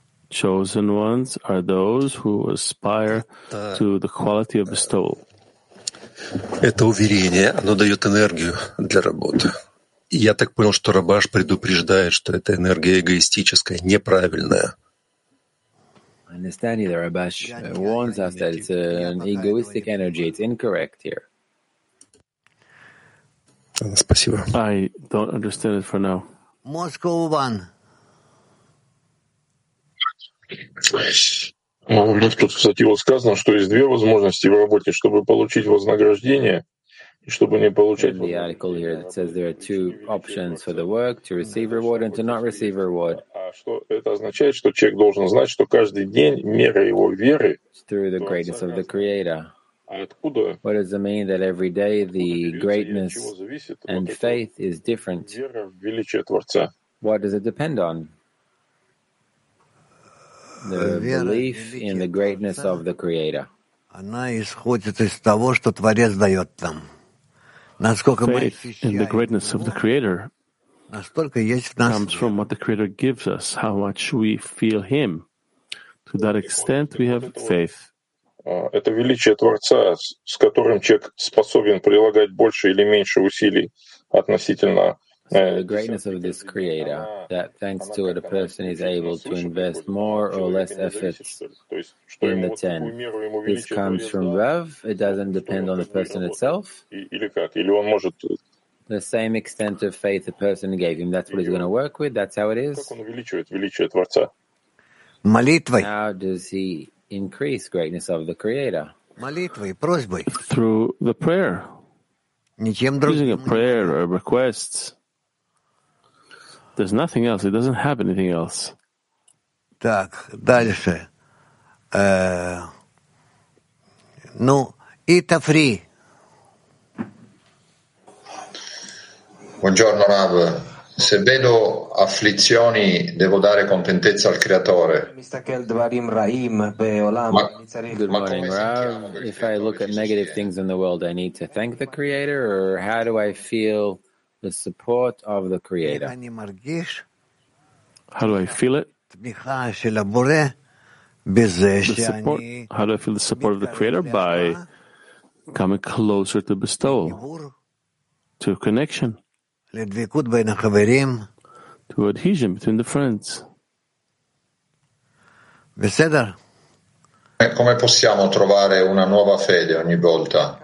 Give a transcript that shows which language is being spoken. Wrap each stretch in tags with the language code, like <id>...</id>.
<en>Chosen ones are those who aspire to the quality of bestowal.</en> <ru>Это уверение, оно дает энергию для работы. Я так понял, что Рабаш предупреждает, что эта энергия эгоистическая, неправильная.</ru> <en>I understand that Rabash warns us that it's an egoistic energy. It's incorrect here.</en> <ru>Спасибо.</ru> <en>I don't understand it for now. Moscow one.</en> <ru>Тут, кстати, вот сказано, что есть две возможности в работе, чтобы получить вознаграждение и чтобы не получать.</ru> <en>The article here that says there are two options for the work: to receive reward and to not receive reward.</en> <ru>А что это означает, что человек должен знать, что каждый день мера его веры.</ru> <en>Through the greatness of the Creator.</en> <ru>А откуда?</ru> <en>What does it mean that every day the greatness and faith is different?</en> <ru>Вера в величие Творца.</ru> <en>What does it depend on? The belief in the greatness of the Creator.</en> <ru>Она исходит из того, что Творец дает нам. Насколько мы</ru> <en>in the greatness of the Creator comes from what the Creator gives us, how much we feel Him. To that extent, we have faith.</en> <ru>Это величие Творца, с которым человек способен прилагать больше или меньше усилий относительно.</ru> <en>So the greatness of this Creator, that thanks to it, a person is able to invest more or less efforts in the ten. This comes from Rav. It doesn't depend on the person itself. The same extent of faith the person gave him, that's what he's going to work with, that's how it is. How does he increase greatness of the Creator? Through the prayer. Using a prayer or requests. There's nothing else. It doesn't have anything else.</en> <ru>Так, дальше. Ну, Ita Free.</ru> <it>Buongiorno, Rav. Se vedo afflizioni, devo dare contentezza al Creatore.</it> <en>Good morning, Rav. If I look at negative things in the world, I need to thank the Creator, or how do I feel the support of the Creator? How do I feel it? How do I feel the support of the Creator? By coming closer to bestowal, to connection, to adhesion between the friends.</en> <he>Beseder.</he> <it>Come possiamo trovare una nuova fede ogni volta?</it>